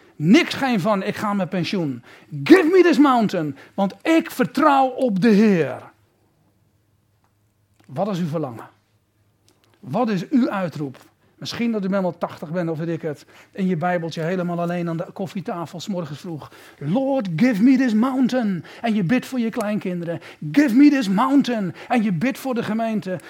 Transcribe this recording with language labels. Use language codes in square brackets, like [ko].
[nl] Niks geen van, ik ga met pensioen. [en] Give me this mountain, [nl] want ik vertrouw op de Heer. Wat is uw verlangen? Wat is uw uitroep? Misschien dat u wel 80 bent of weet ik het. In je bijbeltje helemaal alleen aan de koffietafel 's morgens vroeg. [en] Lord, give me this mountain. [nl] En je bidt voor je kleinkinderen. [en] Give me this mountain. [nl] En je bidt voor de gemeente.